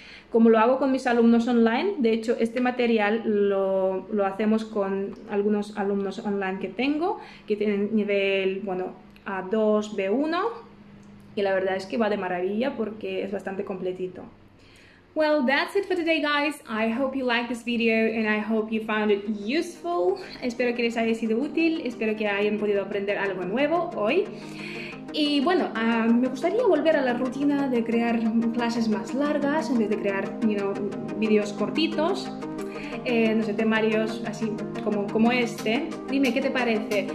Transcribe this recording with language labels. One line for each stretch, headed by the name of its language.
Spanish: Como lo hago con mis alumnos online, de hecho este material lo hacemos con algunos alumnos online que tengo, que tienen nivel, bueno, A2, B1, y la verdad es que va de maravilla porque es bastante completito.
English: Well, that's it for today, guys. I hope you liked this video and I hope you found it useful.
Spanish: Espero que les haya sido útil, espero que hayan podido aprender algo nuevo hoy. Y bueno, me gustaría volver a la rutina de crear clases más largas en vez de crear,
English: you know,
Spanish: videos cortitos. no sé, temarios así como este. Dime, ¿qué te parece?